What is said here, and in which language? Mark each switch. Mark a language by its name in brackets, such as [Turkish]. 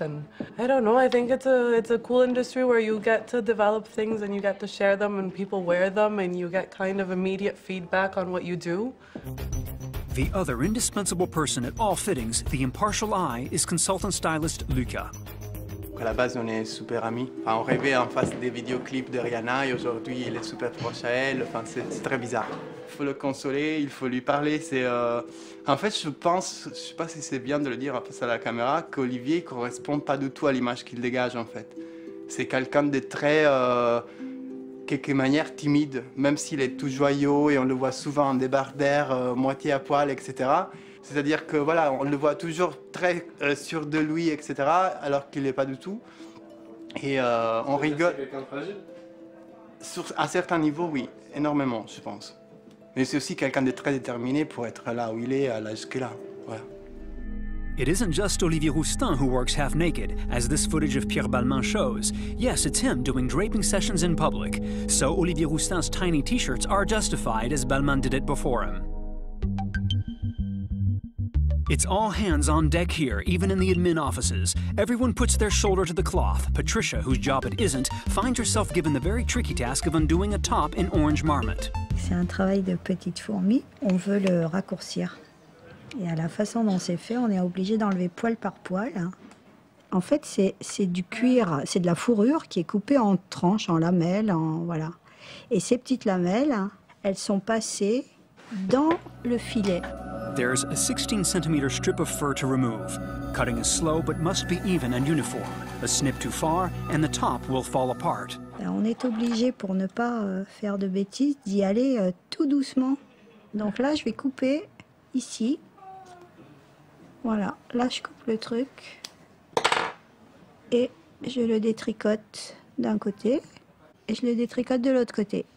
[English] And I don't know, I think it's a cool industry where you get to develop things and you get to share them and people wear them and you get kind of immediate feedback on what you do. The other indispensable person at all fittings, the impartial eye, is consultant stylist Luca. [French] À la base, on est super amis. Enfin, on rêvait en face des vidéoclips de Rihanna et aujourd'hui, il est super proche à elle. Enfin, c'est très bizarre. faut le consoler, il faut lui parler. C'est, en fait, je pense, je sais pas si c'est bien de le dire face à la caméra, qu'Olivier ne correspond pas du tout à l'image qu'il dégage, en fait. C'est quelqu'un de très, quelque manière, timide, même s'il est tout joyeux et on le voit souvent en débardeur, moitié à poil, etc. C'est-à-dire que voilà, on le voit toujours très sûr de lui, etc., alors qu'il n'est pas du tout. Et on rigole. C'est quelqu'un fragile ? Sur, à certains niveaux, oui, énormément, je pense. Mais c'est aussi quelqu'un de très déterminé pour être là où il est, à l'âge qu'il a. Voilà. [English] It isn't just Olivier Roustin who works half naked, as this footage of Pierre Balmain shows. Yes, it's him doing draping sessions in public. So Olivier Roustin's tiny t-shirts are justified as Balmain did it before him. It's all hands on deck here, even in the admin offices. Everyone puts their shoulder to the cloth. Patricia, whose job it isn't, finds herself given the very tricky task of undoing a top in orange marmite. [French] C'est un travail de petite fourmi. On veut le raccourcir. Et à la façon dont c'est fait, on est obligé d'enlever poil par poil. En fait, c'est du cuir, c'est de la fourrure qui est coupée en tranches, en lamelles, en voilà. Et ces petites lamelles, elles sont passées dans le filet. [English] There's a 16-centimeter strip of fur to remove. Cutting is slow, but must be even and uniform. A snip too far, and the top will fall apart. [French] On est obligé, pour ne pas faire de bêtises, d'y aller tout doucement. Donc là, je vais couper ici. Voilà, là, je coupe le truc. Et je le détricote d'un côté. Et je le détricote de l'autre côté.